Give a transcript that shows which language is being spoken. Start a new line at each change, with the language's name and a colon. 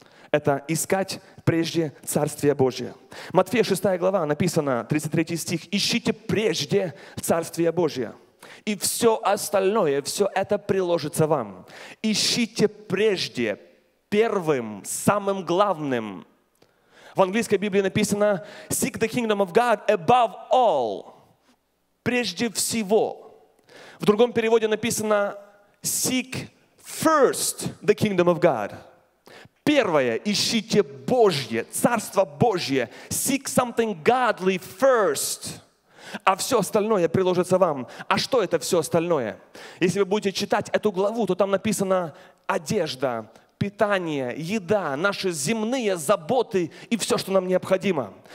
Russian: Это искать прежде Царствие Божие. Матфея 6 глава, написано 33 стих, ищите прежде Царствие Божие. И все остальное, все это приложится вам. Ищите прежде, первым, самым главным. В английской Библии написано,
English: seek the kingdom of God above all.
Russian: Прежде всего. В другом переводе написано,
English: seek first the kingdom of God.
Russian: Первое, ищите Божье, Царство Божье.
English: Seek something godly first.
Russian: А все остальное приложится вам. А что это все остальное? Если вы будете читать эту главу, то там написано одежда, питание, еда, наши земные заботы и все, что нам необходимо.